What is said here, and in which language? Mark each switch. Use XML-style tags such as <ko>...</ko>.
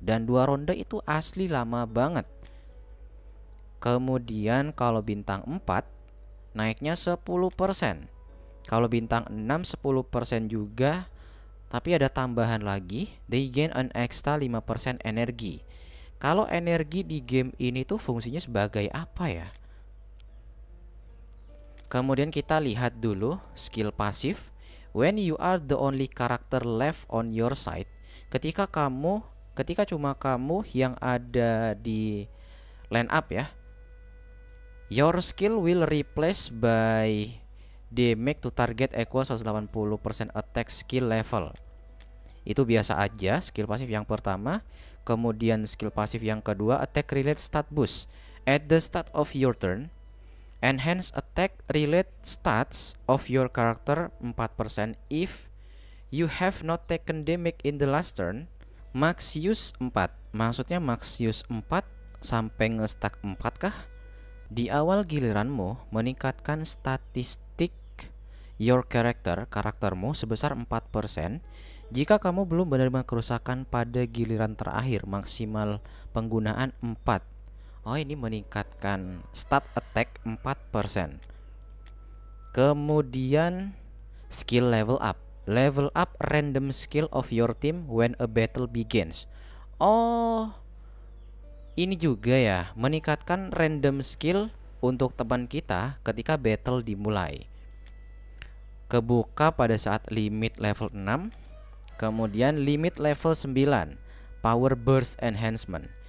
<id>Dan 2 ronde itu asli lama banget. Kemudian kalau bintang 4 naiknya 10%. Kalau bintang 6 10% juga. Tapi ada tambahan lagi,</id> <en>they gain an extra 5%</en> <id>energi. Kalau energi di game ini tuh fungsinya sebagai apa ya? Kemudian kita lihat dulu skill pasif.</id> <en>When you are the only character left on your side.</en> <id>Ketika cuma kamu yang ada di line up ya.</id> <en>Your skill will replace by damage to target equal 180% attack skill level.</en> <id>Itu biasa aja skill pasif yang pertama. Kemudian skill pasif yang kedua, attack relate stat boost.</id> <en>At the start of your turn, enhance attack relate stats of your character 4%. If you have not taken damage in the last turn, max use 4.</en> <id>Maksudnya max use 4 sampai nge-stack 4 kah? Di awal giliranmu, meningkatkan statistik</id> <en>your character,</en> <id>karaktermu sebesar 4%. Jika kamu belum menerima kerusakan pada giliran terakhir, maksimal penggunaan 4. Oh, ini meningkatkan stat attack 4%.</id> <en>Kemudian skill level up. Level up random skill of your team when a battle begins.</en> <id>Oh, ini juga ya, meningkatkan random skill untuk teman kita ketika battle dimulai. Kebuka pada saat limit level 6. Kemudian limit level 9, power burst enhancement.</id>